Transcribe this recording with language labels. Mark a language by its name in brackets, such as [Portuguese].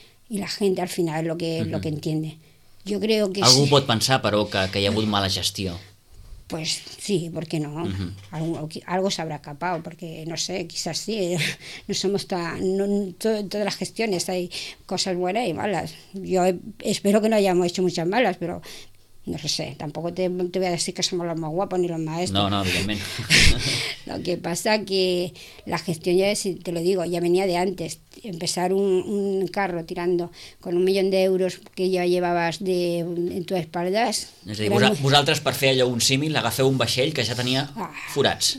[Spanish] Y la gente al final es lo que entiende. [Catalan] Jo crec que algú sí. Pot pensar, però, que hi ha hagut mala gestió. [Spanish] Pues sí, ¿por qué no? Algo se habrá escapado, porque no sé, quizás sí. No somos todas las gestiones, hay cosas buenas y malas. Yo espero que no hayamos hecho muchas malas, pero no lo sé. Tampoco te voy a decir que somos los más guapos ni los maestros. [Catalan] No, evidentment. [Spanish] Lo que pasa es que la gestión, ya te lo digo, ya venía de antes. Empezar un carro tirando con 1 [Catalan] milió d'euros que ja [Spanish] llevabas en tu espaldes. [Catalan] És a dir, vosaltres, per fer allò un símil, agafeu un vaixell que ja tenia forats.